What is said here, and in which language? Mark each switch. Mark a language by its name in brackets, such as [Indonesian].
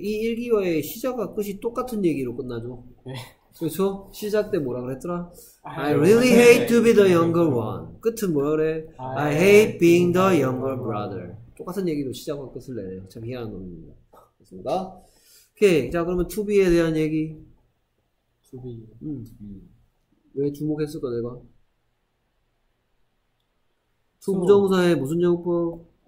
[Korean] 이 일기와의 시작과 끝이 똑같은 얘기로 끝나죠. 그렇죠? 시작 때 뭐라 그랬더라? [English] I really hate to be the younger one. [Korean] 끝은 뭐라 그래? [English] I hate being the younger brother. [Korean] 똑같은 얘기로 시작과 끝을 내네요. 참 희한한 놈입니다. 됐습니까? 오케이. 자, 그러면 to be에 대한 얘기. to be. 왜 주목했을까, 내가? to 부정사의 무슨 영법?